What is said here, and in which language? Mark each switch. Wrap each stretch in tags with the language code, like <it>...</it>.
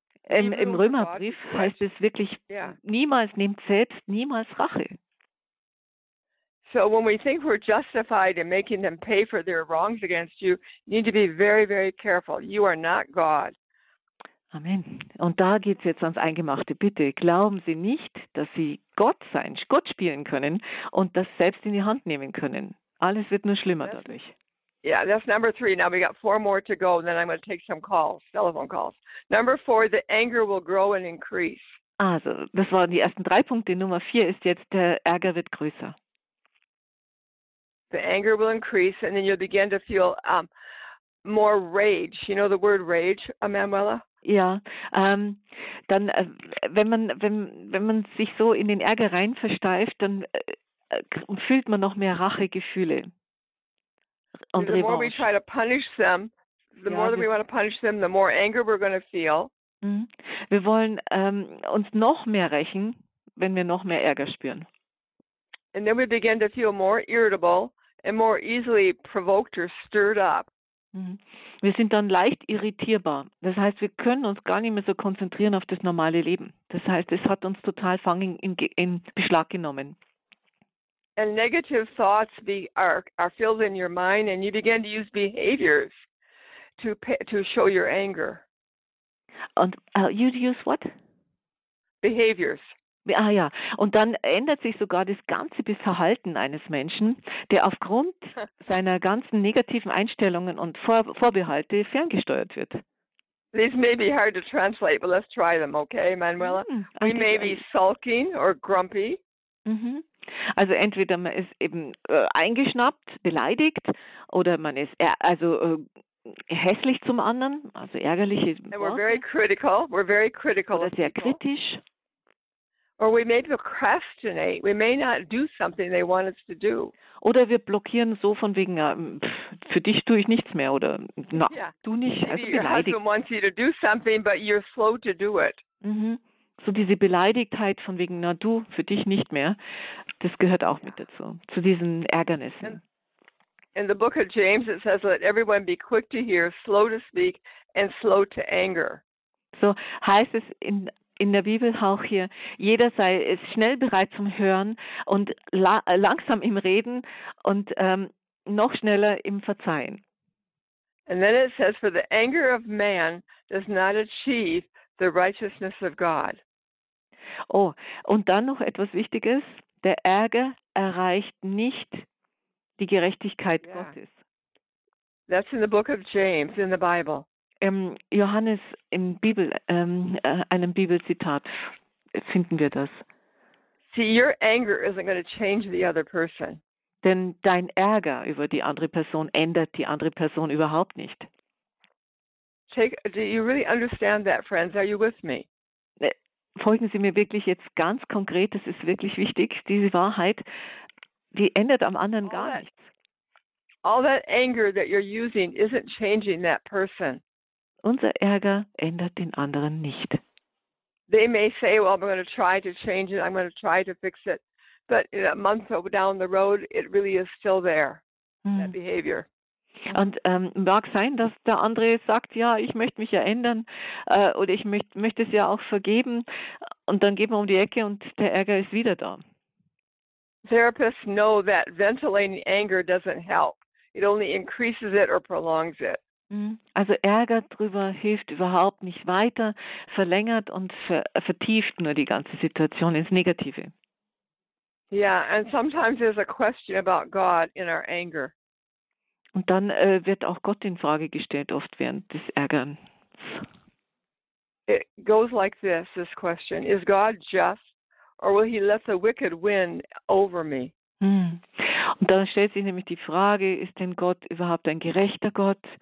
<de>Im Römerbrief heißt es wirklich niemals nehmt selbst niemals Rache.</de> <en>So when we think we're justified in making them pay for their wrongs against you, you need to be very, very careful. You are not God.</en> <de>Amen. Und da geht es jetzt ans Eingemachte. Bitte glauben Sie nicht, dass Sie Gott spielen können und das selbst in die Hand nehmen können. Alles wird nur schlimmer dadurch.</de> <en>Yeah, that's number 3. Now we got 4 more to go, and then I'm going to take some calls, telephone calls. Number 4, the anger will grow and increase.</en> <de>Also, das waren die ersten 3 Punkte. Nummer 4 ist jetzt, der Ärger wird größer.</de> <en>The anger will increase, and then you'll begin to feel more rage. You know the word rage, Manuela?</en> <de>Ja, dann wenn man sich so in den Ärger rein versteift, dann fühlt man noch mehr Rachegefühle und Revanche.</de> <en>The more we try to punish them, the more that we want to punish them, the more anger we're going to feel.</en> <de>Wir wollen uns noch mehr rächen, wenn wir noch mehr Ärger spüren.</de> <en>And then we begin to feel more irritable and more easily provoked or stirred up.</en> <de>Wir sind dann leicht irritierbar. Das heißt, wir können uns gar nicht mehr so konzentrieren auf das normale Leben. Das heißt, es hat uns total fangen in Beschlag genommen.</de> <en>And negative thoughts are filled in your mind and you begin to use behaviors to show your anger. And you use what? Behaviors.</en> <de>Ah ja, und dann ändert sich sogar das ganze Verhalten eines Menschen, der aufgrund seiner ganzen negativen Einstellungen und Vorbehalte ferngesteuert wird.</de> <en>These may be hard to translate, but let's try them, okay, Manuela? We may be sulking or grumpy. Mhm.</en> <de>Also entweder man ist eben eingeschnappt, beleidigt, oder man ist hässlich zum anderen, also ärgerliche Worte.</de> <en>We're very critical. We're very critical.</en> <de>Oder sehr kritisch.</de> <en>Or we may procrastinate. We may not do something they want us to do.</en> <de>Oder wir blockieren so von wegen, für dich tue ich nichts mehr, oder na, yeah, du nicht.</de> <en>Maybe also your husband wants you to do something, but you're slow to do it. Mhm.</en> <de>So diese Beleidigtheit von wegen, na du, für dich nicht mehr, das gehört auch mit dazu, zu diesen Ärgernissen.</de> <en>In the book of James it says, let everyone be quick to hear, slow to speak and slow to anger.</en> <de>So heißt es in der Bibel auch hier, jeder sei es schnell bereit zum Hören und langsam im Reden und noch schneller im Verzeihen.</de> <en>And then it says, for the anger of man does not achieve the righteousness of God.</en> <de>Oh, und dann noch etwas Wichtiges. Der Ärger erreicht nicht die Gerechtigkeit, yeah, Gottes.</de> <en>That's in the book of James, in the Bible.</en> <de>Johannes, im Bibel, einem Bibelzitat finden wir das.</de> <en>See, your anger isn't going to change the other person.</en> <de>Denn dein Ärger über die andere Person ändert die andere Person überhaupt nicht.</de> <en>Do you really understand that, friends? Are you with me?</en> <de>Folgen Sie mir wirklich jetzt ganz konkret, das ist wirklich wichtig, diese Wahrheit, die ändert am anderen gar nichts.</de> <en>All that anger that you're using isn't changing that person.</en> <de>Unser Ärger ändert den anderen nicht.</de> <en>They may say, well, I'm going to try to change it, I'm going to try to fix it, but in a month down the road, it really is still there, that behavior.</en> <de>Und mag sein, dass der andere sagt, ja, ich möchte mich ja ändern oder ich möchte es ja auch vergeben. Und dann geht man um die Ecke und der Ärger ist wieder da.</de> <en>Therapists know that ventilating anger doesn't help. It only increases it or prolongs it.</en> <de>Also Ärger drüber hilft überhaupt nicht weiter, verlängert und vertieft nur die ganze Situation ins Negative.</de> <en>Yeah, and sometimes there's a question about God in our anger.</en> <de>Und dann wird auch Gott in Frage gestellt, oft während des Ärgerns.</de> <en>It goes like this, this question. Is God just, or will he let the wicked win over me?</en> <de>Und dann stellt sich nämlich die Frage, ist denn Gott überhaupt ein gerechter Gott?</de>